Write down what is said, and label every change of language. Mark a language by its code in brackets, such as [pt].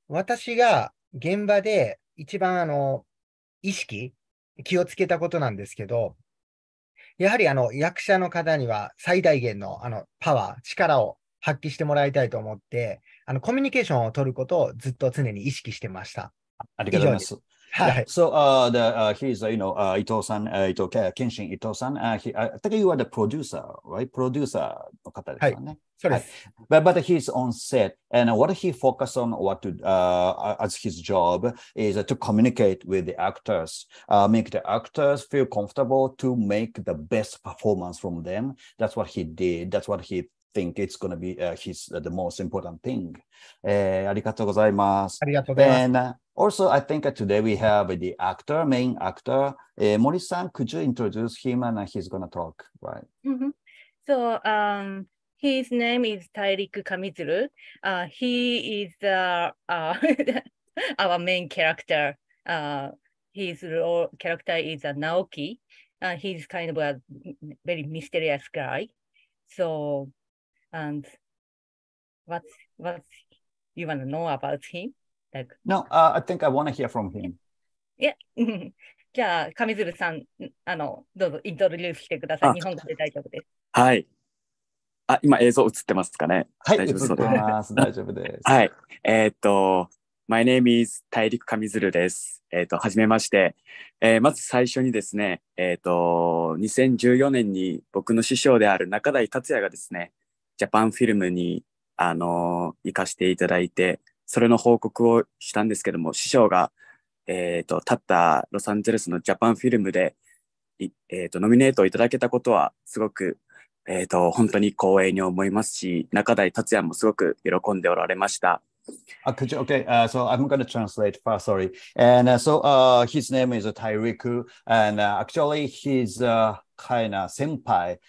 [ja] 私が現場で一番意識、気をつけたことなんですけど、やはり役者の方には最大限のパワー、力を発揮してもらいたいと思って、コミュニケーションを取ることをずっと常に意識してました。ありがとうございます。 [en] So he's you know Ito-san, Ito Kenshin Ito-san. He, I think you are the producer, right? [ja] Producer の方ですよね。はい。 [en] But he's on set, and what he focus on, what to as his job is to communicate with the actors, make the actors feel comfortable to make the best performance from them. That's what he did. That's what he think it's gonna be his the most important thing. [ja] ありがとうございます。ありがとうございます。 [en] And, also, I think today we have the actor, main actor, Mori-san. Could you introduce him and he's gonna talk, right? Mm-hmm. So, his name is Tairiku Kamizuru. He is our main character. His role character is Naoki. He's kind of a very mysterious guy. So, and what you wanna know about him? Like, no, I think I want to hear from him. Yeah. [ja] じゃあ、カミズルさん、どうぞ、イントロデュースしてください。日本語で大丈夫です。はい。あ、今、映像映ってますかね。はい、大丈夫そうです。映ってます。大丈夫です。はい。 [en] My name is [ja] 大陸カミズルです。はじめまして。まず最初にですね、2014年に僕の師匠である中台達也がですね、ジャパンフィルムに、行かせていただいて、それの報告をしたんですけども、師匠が、立ったロサンゼルスのジャパンフィルムで、ノミネートをいただけたことはすごく、本当に光栄に思いますし、中台達也もすごく喜んでおられました。 [en] Could you, okay, so I'm going to translate first, sorry. And so his name is Tairiku, and actually he's kind of senpai.